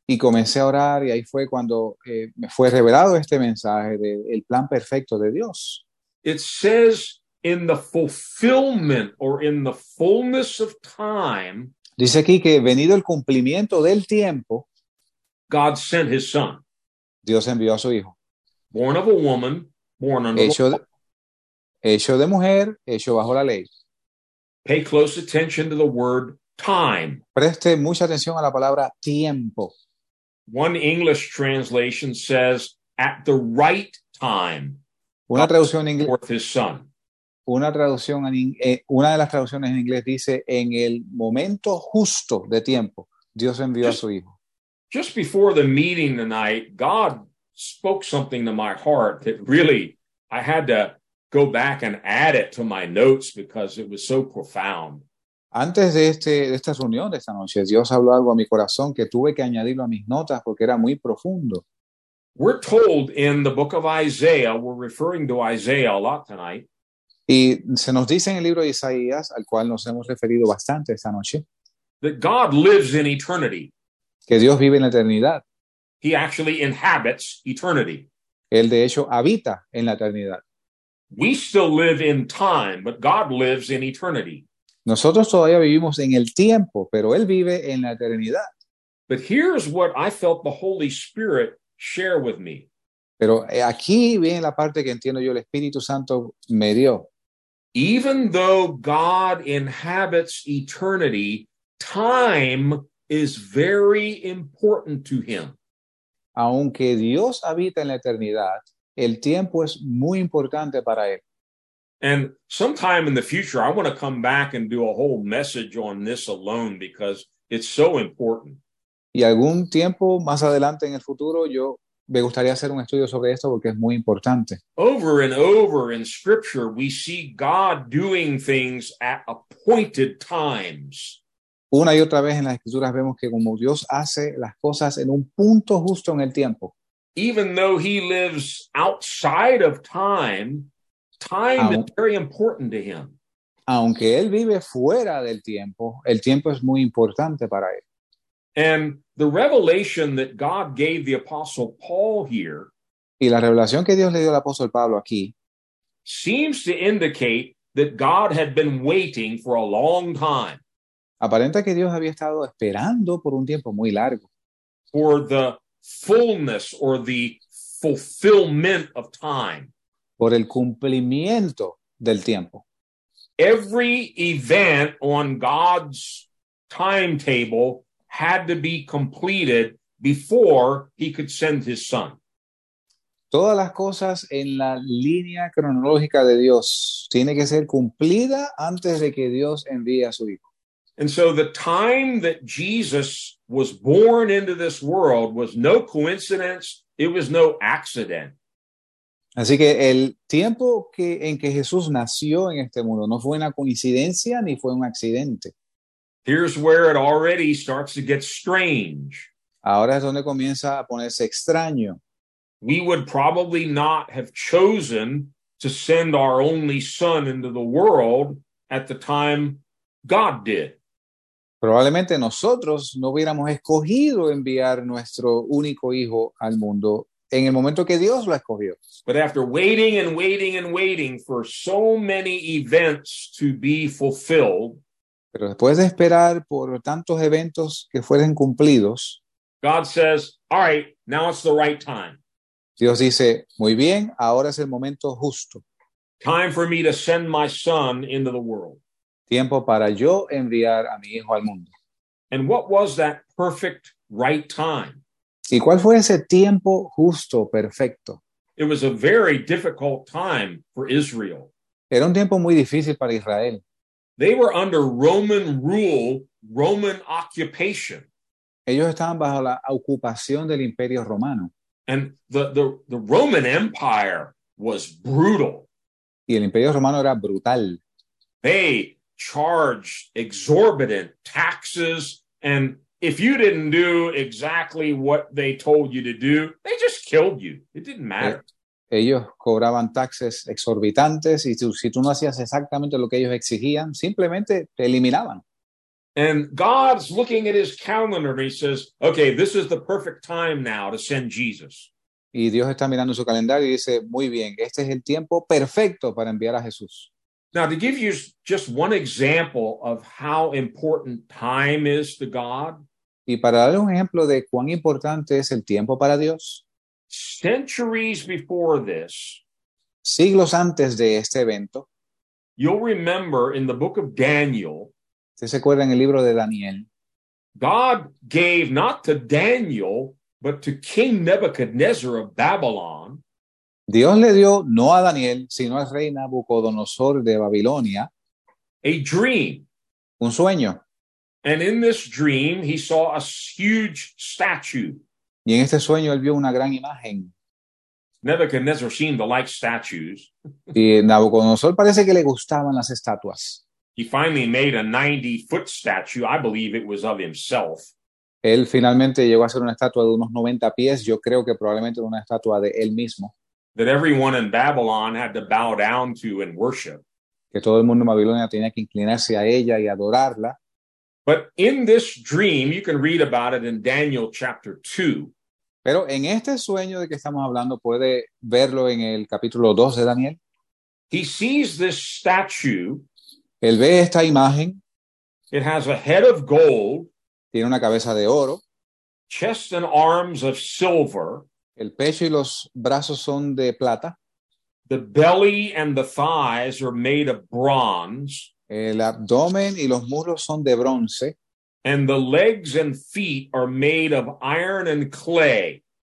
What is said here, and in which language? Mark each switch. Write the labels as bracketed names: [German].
[Spanish] Y comencé a orar, y ahí fue cuando me fue revelado este mensaje del plan perfecto de Dios. [English] It says, in the fullness or in the fullness of time, [Spanish] dice aquí que venido el cumplimiento del tiempo, [English] God sent his son. [Spanish] Dios envió a su hijo. [English] Born of a woman, born under [Spanish] hecho de mujer, hecho bajo la ley. [English] Pay close attention to the word time. [Spanish] Preste mucha atención a la palabra tiempo. [English] One English translation says, at the right time. [Spanish] Una traducción en inglés. [English] Forth his son. [Spanish] Una traducción en, una de las traducciones en inglés dice, en el momento justo de tiempo, Dios envió a su hijo. [English] Just before the meeting tonight, God spoke something to my heart that really, I had to go back and add it to my notes because it was so profound. [Spanish] Antes de esta reunión de esta noche, Dios habló algo a mi corazón que tuve que añadirlo a mis notas porque era muy profundo. [English] We're told in the book of Isaiah, we're referring to Isaiah a lot tonight. [Spanish] Y se nos dice en el libro de Isaías, al cual nos hemos referido bastante esta noche, [English] that God lives in eternity. [Spanish] Que Dios vive en la eternidad. [English] He actually inhabits eternity. [Spanish] Él de hecho habita en la eternidad. [English] We still live in time, but God lives in eternity. [Spanish] Nosotros todavía vivimos en el tiempo, pero Él vive en la eternidad. [English] But here's what I felt the Holy Spirit share with me. [Spanish] Pero aquí viene la parte que entiendo yo, el Espíritu Santo me dio. [English] Even though God inhabits eternity, time is very important to Him. [Spanish] Aunque Dios habita en la eternidad, el tiempo es muy importante para Él. [English] And sometime in the future, I want to come back and do a whole message on this alone because it's so important. [Spanish] Y algún tiempo más adelante en el futuro, yo me gustaría hacer un estudio sobre esto porque es muy importante. [English] Over and over in Scripture, we see God doing things at appointed times. [Spanish] Una y otra vez en las Escrituras vemos que como Dios hace las cosas en un punto justo en el tiempo. [English] Even though He lives outside of time, time is very important to Him. [Spanish] Aunque Él vive fuera del tiempo, el tiempo es muy importante para Él. [English] And the revelation that God gave the Apostle Paul here, [Spanish] y la revelación que Dios le dio al apóstol Pablo aquí, [English] seems to indicate that God had been waiting for a long time. [Spanish] Aparenta que Dios había estado esperando por un tiempo muy largo. [English] For the fullness or the fulfillment of time. [Spanish] Por el cumplimiento del tiempo. [English] Every event on God's timetable had to be completed before He could send His Son. [Spanish] Todas las cosas en la línea cronológica de Dios tiene que ser cumplida antes de que Dios envíe a su Hijo. [English] And so the time that Jesus was born into this world was no coincidence, it was no accident. [Spanish] Así que el tiempo que, en que Jesús nació en este mundo no fue una coincidencia ni fue un accidente. [English] Here's where it already starts to get strange. [Spanish] Ahora es donde comienza a ponerse extraño. [English] We would probably not have chosen to send our only son into the world at the time God did. [Spanish] Probablemente nosotros no hubiéramos escogido enviar nuestro único hijo al mundo en el momento que Dios lo escogió. [English] But after waiting and waiting and waiting for so many events to be fulfilled, [Spanish] pero después de esperar por tantos eventos que fueran cumplidos, [English] God says, "All right, now it's the right time." [Spanish] Dios dice, "Muy bien, ahora es el momento justo." [English] Time for me to send my son into the world. [Spanish] Tiempo para yo enviar a mi hijo al mundo. [English] And what was that perfect right time? [Spanish] ¿Y cuál fue ese tiempo justo perfecto? [English] It was a very difficult time for Israel. [Spanish] Era un tiempo muy difícil para Israel. [English] They were under Roman rule, Roman occupation. [Spanish] Ellos estaban bajo la ocupación del Imperio Romano. [English] And the Roman Empire was brutal. [Spanish] Y el Imperio Romano era brutal. [English] They charged exorbitant taxes, and if you didn't do exactly what they told you to do, they just killed you. It didn't matter. [Spanish] Ellos cobraban taxes exorbitantes y si tú no hacías exactamente lo que ellos exigían, simplemente te eliminaban. [English] And God's looking at his calendar and he says, okay, this is the perfect time now to send Jesus. [Spanish] Y Dios está mirando su calendario y dice, muy bien, este es el tiempo perfecto para enviar a Jesús. [English] Now, to give you just one example of how important time is to God. [Spanish] Y para darle un ejemplo de cuán importante es el tiempo para Dios. [English] Centuries before this, [Spanish] siglos antes de este evento, [English] You'll remember in the book of Daniel, [Spanish] ¿se acuerdan el libro de Daniel? [English] God gave not to Daniel, but to King Nebuchadnezzar of Babylon. [Spanish] Dios le dio no a Daniel, sino al rey Nabucodonosor de Babilonia. [English] A dream. [Spanish] Un sueño. [English] And in this dream, he saw a huge statue. [Spanish] Y en este sueño, él vio una gran imagen. [English] Nebuchadnezzar seemed to like statues. [Spanish] Y Nabucodonosor parece que le gustaban las estatuas. [English] He finally made a 90-foot statue. I believe it was of himself. [Spanish] Él finalmente llegó a hacer una estatua de unos 90 pies. Yo creo que probablemente era una estatua de él mismo. [English] That everyone in Babylon had to bow down to and worship. [Spanish] Que todo el mundo en Babilonia tenía que inclinarse a ella y adorarla. [English] But in this dream, you can read about it in Daniel chapter 2. [Spanish] Pero en este sueño de que estamos hablando, puede verlo en el capítulo 2 de Daniel. [English] He sees this statue. [Spanish] Él ve esta imagen. [English] It has a head of gold. [Spanish] Tiene una cabeza de oro. [English] Chest and arms of silver. [Spanish] El pecho y los brazos son de plata. [English] The belly and the thighs are made of bronze. [Spanish] El abdomen y los muslos son de bronce. [English] And the legs and feet are made of iron and clay.